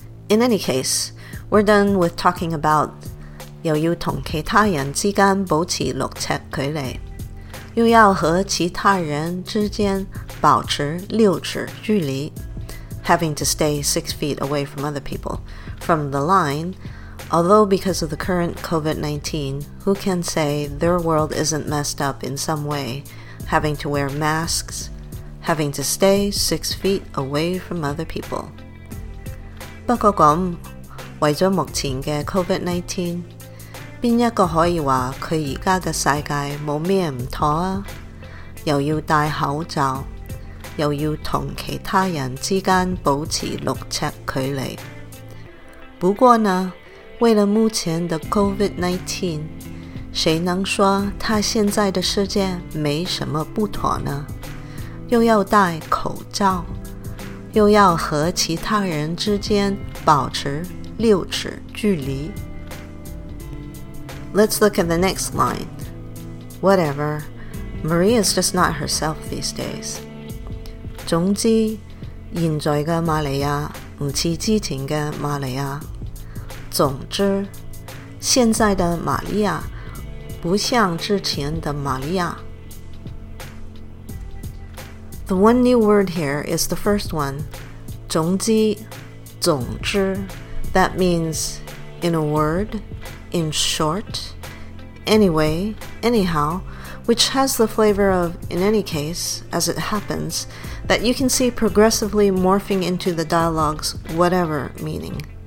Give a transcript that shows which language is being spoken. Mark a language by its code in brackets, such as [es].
[en] In any case, we're done with talking about [zh] 又要同其他人之间保持六尺距离, 又要和其他人之间保持六尺距离, [en] having to stay 6 feet away from other people, from the line, although because of the current COVID-19, who can say their world isn't messed up in some way, having to wear masks, having to stay 6 feet away from other people. [zh] 不过咁, 为了目前的 COVID-19, 哪一个可以说他现在的世界没什么不妥啊? 又要戴口罩, 又要和其他人之间保持六尺距离。不过呢, 为了目前的 COVID-19, 谁能说他现在的世界没什么不妥呢? 又要戴口罩, 又要和其他人之间保持六尺距离。 [en] Let's look at the next line. Whatever, Maria is just not herself these days. [zh] 总之, 现在的玛利亚不像之前的玛利亚。总之, 现在的玛利亚不像之前的玛利亚。 [en] The one new word here is the first one. [zh] 总之, 总之, [en] that means in a word, in short, anyway, anyhow, which has the flavor of, in any case, as it happens, that you can see progressively morphing into the dialogue's whatever meaning.